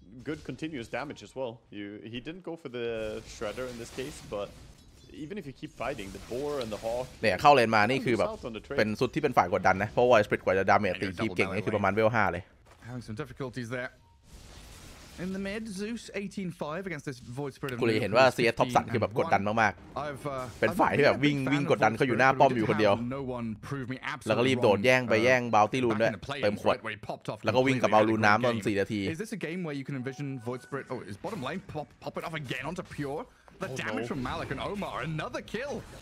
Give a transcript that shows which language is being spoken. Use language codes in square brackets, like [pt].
[en] good continuous damage as well he didn't go for the shredder in this case but even if you keep fighting the boar and the hawk [th] เนี่ยเข้าเลนมานี่คือแบบเป็นสุดที่เป็นฝ่ายกดดันนะเพราะว่าสปริตกว่าจะดาเมจตีคีบเก่งนี่คือประมาณเวล5เลย [en] Having some difficulties there. In the mid, Zeus 18-5 against this Void Spirit. [th] คุณเลยเห็นว่า CS ท็อปสั่งคือแบบกดดันมากๆเป็นฝ่ายที่แบบวิ่งกดดันเขาอยู่หน้าป้อมอยู่คนเดียวแล้วก็รีบโดดแย่งไปแย่งบาวตี้รูนด้วยเติมขวดแล้วก็วิ่งกับเอารูนน้ำตอน4นาที [en] Is this a game where you can envision Void Spirit? Oh, is bottom lane popping off again onto Pure? The damage from Malak and Omar, another kill.